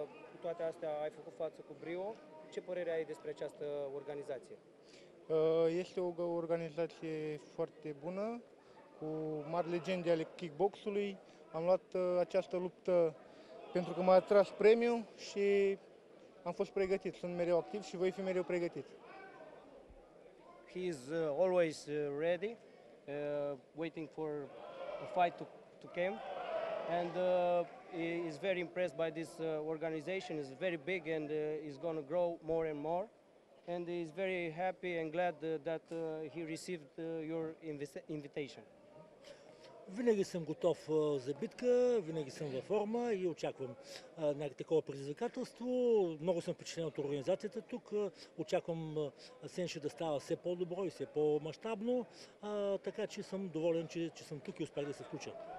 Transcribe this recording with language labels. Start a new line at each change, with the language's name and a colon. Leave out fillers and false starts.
Romanian: Cu toate astea ai făcut față cu brio. Ce părere ai despre această organizație? Este o organizație foarte bună. Cu mari legende ale kickboxului, am luat această luptă pentru că m-a atras premiu și am fost pregătit. Sunt mereu activ și voi fi mereu pregătit.
English: He is always ready, waiting for a fight to come, and he is very impressed by this organization. It's very big and is going to grow more and more. And he is very happy and glad that he received your invitation.
Bulgarian: Винаги съм готов за битка, винаги съм във форма и очаквам такова предизвикателство. Много съм впечатлен от организацията тук. Очаквам Сенши да става все по-добро и все по-мащабно. Така че съм доволен, че съм тук и успях да се включа.